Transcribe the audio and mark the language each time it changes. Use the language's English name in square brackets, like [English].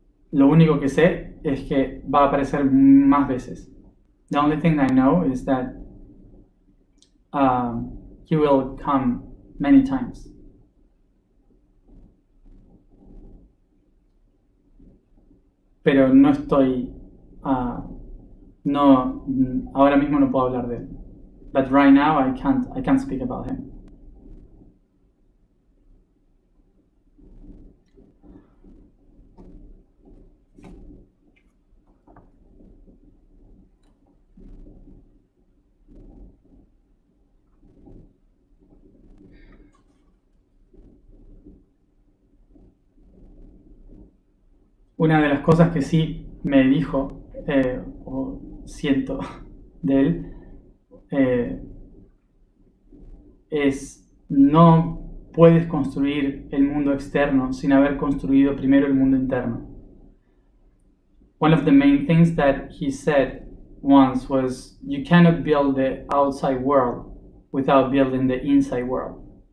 [Spanish] Lo único que sé es que va a aparecer más veces. [English] The only thing I know is that he will come many times. [Spanish] Pero no estoy, no, ahora mismo no puedo hablar de él. [English] But right now I can't speak about him. [Spanish] Una de las cosas que sí me dijo, o siento de él, es no puedes construir el mundo externo sin haber construido primero el mundo interno. [English] One of the main things that he said once was you cannot build the outside world without building the inside world.